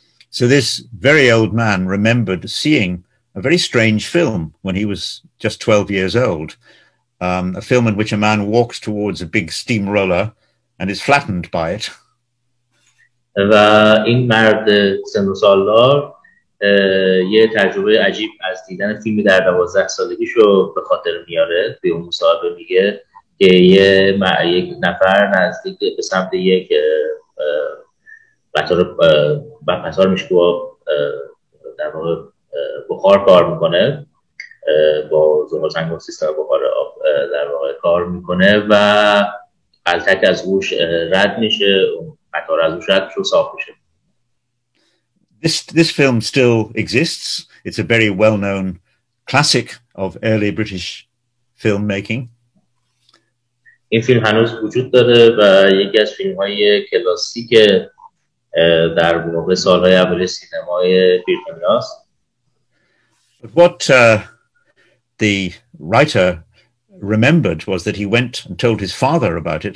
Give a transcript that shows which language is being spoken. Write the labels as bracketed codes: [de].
[en] So this very old man remembered seeing a very strange film when he was just 12 years old, a film in which a man walks towards a big steamroller and is flattened by it. [fa] و این مرد سن‌وسالدار یه تجربه عجیب از دیدن فیلمی در 12 سالگیشو به خاطر میاره. به اون مصاحبه میگه که یک نفر نزدیک به سمت یک قطار بپسار میشه که در واقع بخار کار میکنه، با زغال سنگ و سیستم بخار آب در واقع کار میکنه و قلتک از گوش رد میشه، قطار از گوش رد میشه و صاف میشه. [en] This film still exists. It's a very well-known classic of early British filmmaking. [fa] این فیلم هنوز وجود داره و یکی از فیلم‌های کلاسیک در واقع سال‌های اول سینمای بریتانیا است. [en] But what the writer remembered was that he went and told his father about it.